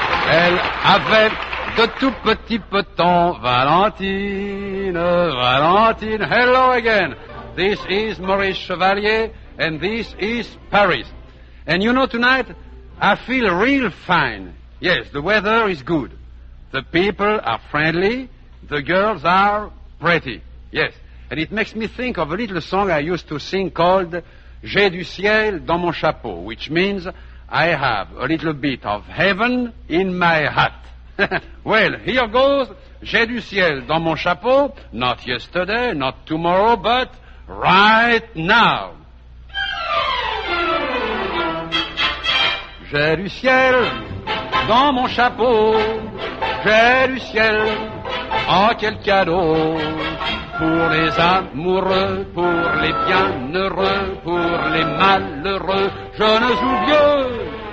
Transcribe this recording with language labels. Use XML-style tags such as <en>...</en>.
<fr>Elle avait de tout petits petons, Valentine, Valentine.</fr> <en>Hello again. This is Maurice Chevalier, and this is Paris. And you know, tonight, I feel real fine. Yes, the weather is good. The people are friendly. The girls are pretty. Yes. And it makes me think of a little song I used to sing called</en> <fr>J'ai du ciel dans mon chapeau,</fr> <en>which means I have a little bit of heaven in my hat. Well, here goes.</en> <fr>J'ai du ciel dans mon chapeau.</fr> <en>Not yesterday, not tomorrow, but right now.</en> <fr>J'ai du ciel dans mon chapeau. J'ai du ciel. Oh, quel cadeau. Pour les amoureux, pour les bienheureux, pour les malheureux, jeunes ou vieux.</fr>